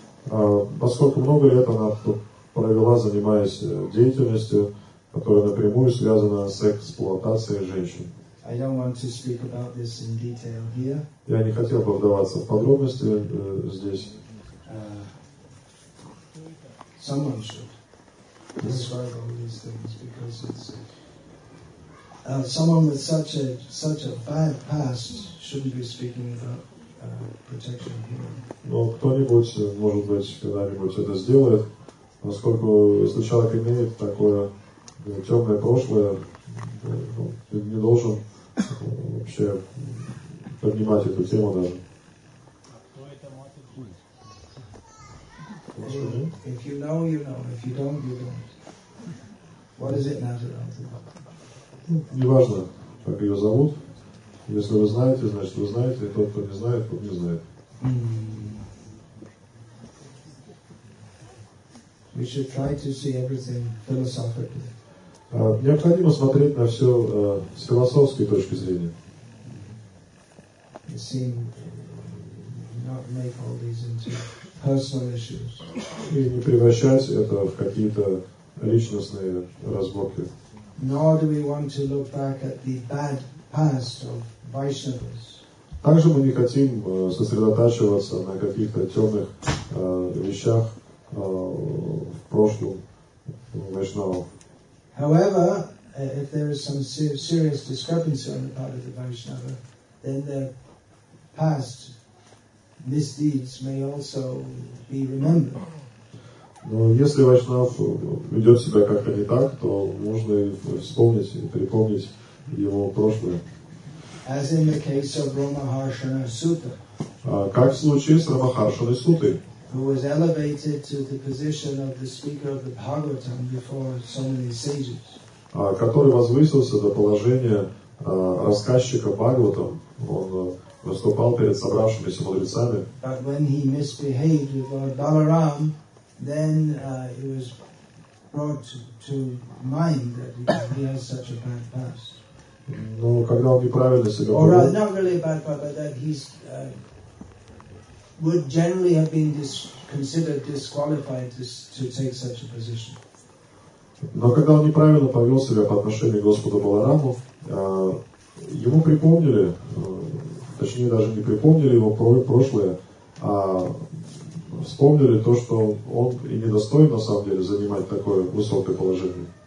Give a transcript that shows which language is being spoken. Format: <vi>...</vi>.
<ru>Поскольку много лет она провела, занимаясь деятельностью, которая напрямую связана с эксплуатацией женщин.</ru> <en>I don't want to speak about this in detail here.</en> <ru>Я не хотел бы вдаваться в подробности здесь.</ru> <en>Someone should describe all these things because it's someone with such a bad past shouldn't be speaking about protection here.</en> <ru>Но кто-нибудь, может быть, когда-нибудь это сделает, поскольку если человек имеет такое темное прошлое, ты не должен вообще поднимать эту тему даже.</ru> <en>If you know, you know. If you don't, you don't. What does it matter?</en> <ru>Неважно, как ее зовут. Если вы знаете, значит вы знаете. И тот, кто не знает, тот не знает.</ru> <en>We should try to see everything philosophically.</en> <ru>Необходимо смотреть на все с философской точки зрения.</ru> <en>It seems not make all these into personal issues.</en> <ru>И не превращать это в какие-то личностные разборки.</ru> <en>Nor do we want to look back at the bad past of Vaishnavas.</en> <ru>Также мы не хотим сосредотачиваться на каких-то темных вещах в прошлом Вайшнавов.</ru> <en>However, if there is some serious discrepancy on the part of the Vaishnava, then their past misdeeds may also be remembered.</en> <ru>Но если Вайшнав ведет себя как-то не так, то можно и вспомнить, и припомнить его прошлое.</ru> <en>As in the case of Ramaharshana Sutta.</en> <ru>Как в случае с Рамахаршаной Сутой.</ru> <en>Who was elevated to the position of the speaker of the Bhagavatam before so many sages.</en> <ru>Который возвысился до положения рассказчика Бхагаватам. Он выступал перед собравшимися мудрецами.</ru> <en>But when he misbehaved with Lord Balaram, then it was brought to mind that he has such a bad past.</en> <ru>Но когда он неправильно себя повел.</ru> <en>Or not really a bad past, but that he's would generally have been considered disqualified to take such a position.</en> <ru>Но когда он неправильно повел себя по отношению к Господу Баларамову, ему припомнили, точнее даже не припомнили его прошлое, а вспомнили то, что он и недостоин на самом деле занимать такое высокое положение.</ru>